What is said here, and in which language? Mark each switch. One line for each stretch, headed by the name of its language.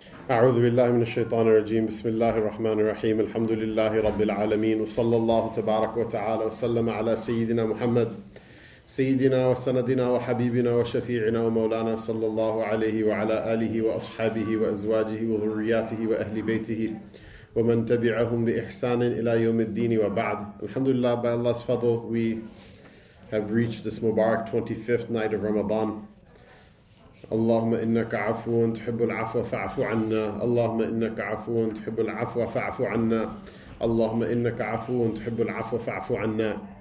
Arabic: أعوذ بالله من الشيطان الرجيم. بسم الله الرحمن الرحيم. الحمد لله رب العالمين، وصلى الله تبارك وتعالى وسلم على سيدنا محمد سيدنا وسندنا وحبيبنا وشفيعنا ومولانا، صلى الله عليه وعلى آله وأصحابه وأزواجه وذرياته وأهل بيته ومن تبعهم بإحسان إلى يوم الدين وبعد.
English: الحمد لله، by Allah's fadl, we have reached this Mubarak 25th night of Ramadan.
Arabic: اللهم إنك عفو تحب العفو فاعف عنا، اللهم إنك عفو تحب العفو فاعف عنا، اللهم إنك عفو تحب العفو فاعف عنا.